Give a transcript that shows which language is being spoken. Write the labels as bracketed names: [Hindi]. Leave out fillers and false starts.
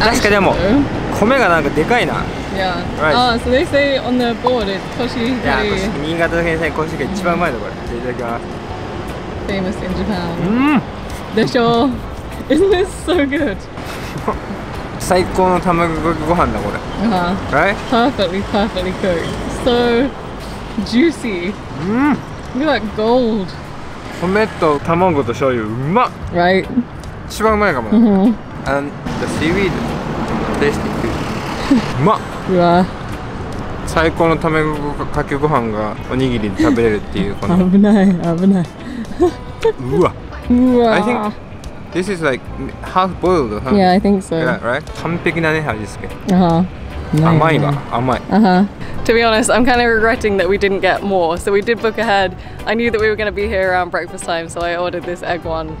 [Japanese] 確かにでも、米がなんかでかいな。 [English] Yeah. Right. Oh, so they say on the board it's Toshigiri. Yeah, Toshigiri. [Japanese] 新潟県産コシヒカリ一番うまいのこれ。いただきます。 [English] Famous in Japan. Mm. [Japanese] でしょ? [English] Isn't this so good? [Japanese] 最高の卵かけご飯だこれ。 Uh-huh. [English] Right? Perfectly, perfectly cooked. So juicy. Mm. Look at that gold. [Japanese] 米と卵と醤油うま [English] っ。Right. [Japanese] 一番うまいかも。 Mm-hmm. [English] And the seaweed, tasty. [Japanese] うまっ。うわ。最高の卵かけご飯がおにぎりで食べれるっていうこの。危ない危ない。うわ。うわ。 [English] I think this is like half boiled, huh? Yeah, I think so. Yeah, right? [Japanese] 完璧なね味付け。 Uh-huh. 甘いわ。甘い。 Uh-huh. [English] To be honest, I'm kind of regretting that we didn't get more. So we did book ahead. I knew that we were going to be here around breakfast time, so I ordered this egg one.